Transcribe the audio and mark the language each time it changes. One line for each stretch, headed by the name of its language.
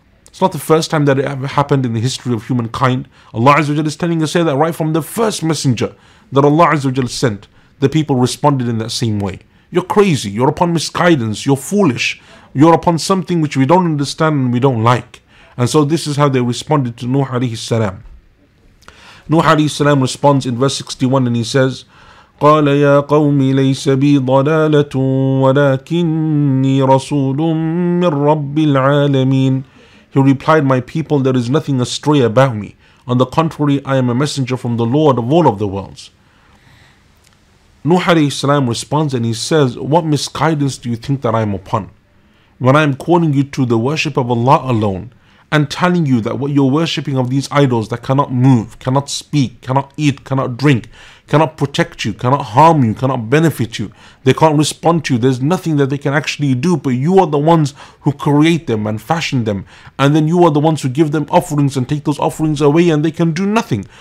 English: It's not the first time that it ever happened in the history of humankind. Allah Azza wa Jalla is telling us to say that right from the first messenger that Allah Azza wa Jalla sent, the people responded in that same way. You're crazy. You're upon misguidance. You're foolish. You're upon something which we don't understand and we don't like. And so this is how they responded to Nuh alayhi salam.
Arabic: نوح عليه السلام
English: responds in verse 61 and he says,
Arabic: قال يا قوم ليس بي ضلالة ولكني رسول من رب العالمين.
English: He replied, my people, there is nothing astray about me. On the contrary, I am a messenger from the Lord of all of the worlds. Nuh alayhi salam responds and he says, what misguidance do you think that I am upon? When I am calling you to the worship of Allah alone and telling you that what you're worshipping of these idols that cannot move, cannot speak, cannot eat, cannot drink, cannot protect you, cannot harm you, cannot benefit you, they can't respond to you, there's nothing that they can actually do, but you are the ones who create them and fashion them, and then you are the ones who give them offerings and take those offerings away, and they can do nothing.